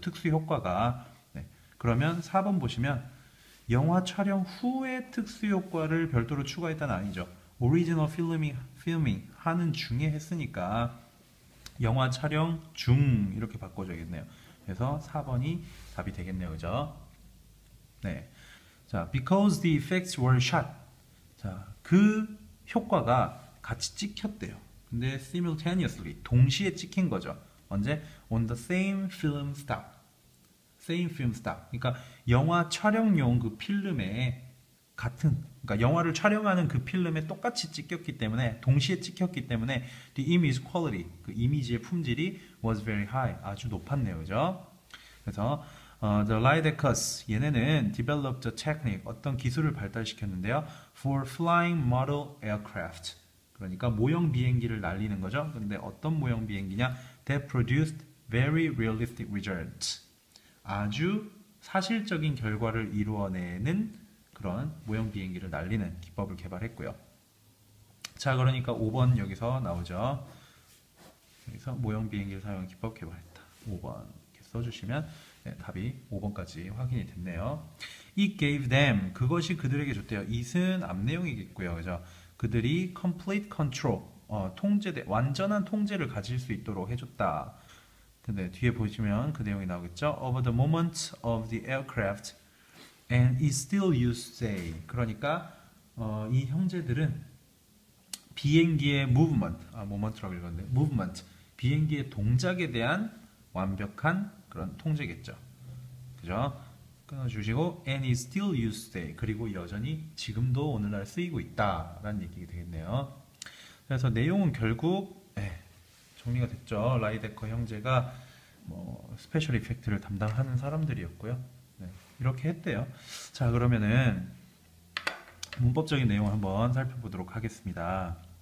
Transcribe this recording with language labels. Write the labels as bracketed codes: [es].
[ko] 특수 효과가. 네, 그러면 4번 보시면 영화 촬영 후에 특수 효과를 별도로 추가했다는 아니죠. 오리지널 필밍 하는 중에 했으니까 영화 촬영 중 이렇게 바꿔줘야겠네요. 그래서 4번이 답이 되겠네요, 그죠? 네. [en] 자, because the effects were shot. [ko] 자, 그 효과가 같이 찍혔대요. 근데 simultaneously, 동시에 찍힌 거죠. 언제? [en] On the same film stock. Same film stock. [ko] 그러니까 영화 촬영용 그 필름에 같은, 그러니까 영화를 촬영하는 그 필름에 똑같이 찍혔기 때문에, 동시에 찍혔기 때문에, [en] the image quality, [ko] 그 이미지의 품질이 [en] was very high. [ko] 아주 높았네요, 그죠? 그래서 the Leidekkers 얘네는 [en] developed a technique [ko] 어떤 기술을 발달시켰는데요. [en] For flying model aircraft [ko] 그러니까 모형 비행기를 날리는 거죠. 근데 어떤 모형 비행기냐? [en] That produced very realistic results. [ko] 아주 사실적인 결과를 이루어내는 그런 모형 비행기를 날리는 기법을 개발했고요. 자, 그러니까 5번 여기서 나오죠. 여기서 모형 비행기를 사용한 기법 개발했다. 5번 이렇게 써주시면 네, 답이 5번까지 확인이 됐네요. [en] It gave them, [ko] 그것이 그들에게 줬대요. It은 앞 내용이겠고요. 그죠? 그들이 [en] complete control, [ko] 완전한 통제를 가질 수 있도록 해줬다. 근데 뒤에 보시면 그 내용이 나오겠죠? [en] Over the moment of the aircraft and is still used today. [ko] 그러니까, 이 형제들은 비행기의 movement, 모먼트라고 읽었는데, movement, 비행기의 동작에 대한 완벽한 그런 통제겠죠. 그죠? 끊어주시고, [en] and is still used today. [ko] 그리고 여전히 지금도 오늘날 쓰이고 있다라는 얘기가 되겠네요. 그래서 내용은 결국 정리가 됐죠. 라이데커 형제가 뭐 스페셜 이펙트를 담당하는 사람들이었고요. 네, 이렇게 했대요. 자, 그러면은 문법적인 내용을 한번 살펴보도록 하겠습니다.